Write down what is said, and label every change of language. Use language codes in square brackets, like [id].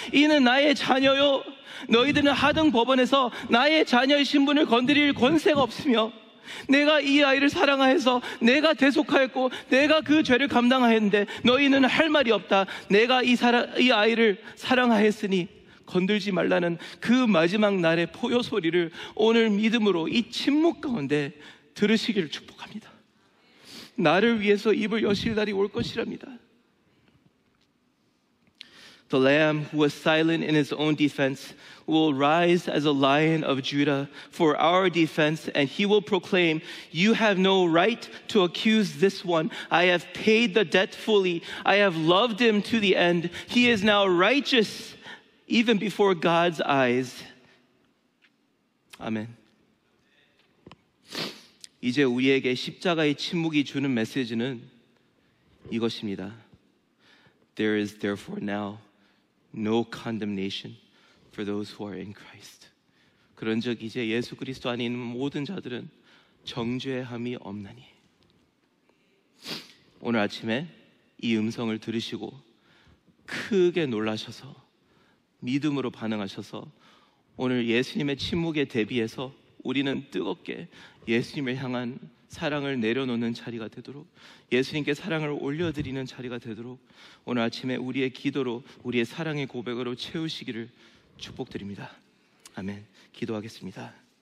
[ko] 이는 나의 자녀요, 너희들은 하등 법원에서 나의 자녀의 신분을 건드릴 권세가 없으며 내가 이 아이를 사랑하여서 내가 대속하였고 내가 그 죄를 감당하였는데 너희는 할 말이 없다. 내가 이 아이를 사랑하였으니 건들지 말라는 그 마지막 날의 포효 소리를 오늘 믿음으로 이 침묵 가운데 들으시기를 축복합니다. 나를 위해서 입을 여실 날이 올 것이랍니다. [en] The lamb who was silent in his own defense will rise as a lion of Judah for our defense, and he will proclaim, "You have no right to accuse this one. I have paid the debt fully. I have loved him to the end. He is now righteous even before God's eyes." Amen. [ko] 이제 우리에게 십자가의 침묵이 주는 메시지는 이것입니다. [en] There is therefore now no condemnation for those who are in Christ. [ko] 그런즉 이제 예수 그리스도 안에 있는 모든 자들은 정죄함이 없나니. 오늘 아침에 이 음성을 들으시고 크게 놀라셔서 믿음으로 반응하셔서 오늘 예수님의 침묵에 대비해서 우리는 뜨겁게 예수님을 향한 사랑을 내려놓는 자리가 되도록, 예수님께 사랑을 올려드리는 자리가 되도록 오늘 아침에 우리의 기도로 우리의 사랑의 고백으로 채우시기를 축복드립니다. 아멘. 기도하겠습니다.